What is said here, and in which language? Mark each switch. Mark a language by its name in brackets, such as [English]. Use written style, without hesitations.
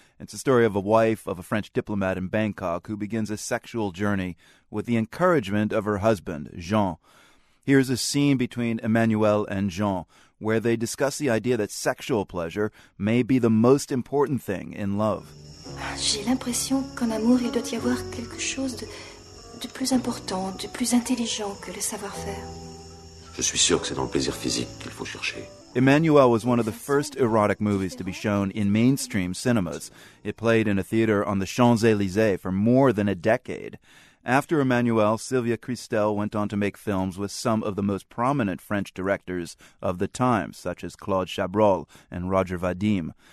[English] It's the story of a wife of a French diplomat in Bangkok who begins a sexual journey with the encouragement of her husband, Jean. Here's a scene between Emmanuel and Jean where they discuss the idea that sexual pleasure may be the most important thing in love. [French] J'ai l'impression qu'en amour, il doit y avoir quelque chose de plus important, de plus intelligent que le savoir-faire. Je suis sûr que c'est dans le plaisir physique qu'il faut chercher. [English] Emmanuel was one of the first erotic movies to be shown in mainstream cinemas. It played in a theater on the Champs-Élysées for more than a decade. After Emmanuel, Sylvia Christel went on to make films with some of the most prominent French directors of the time, such as Claude Chabrol and Roger Vadim.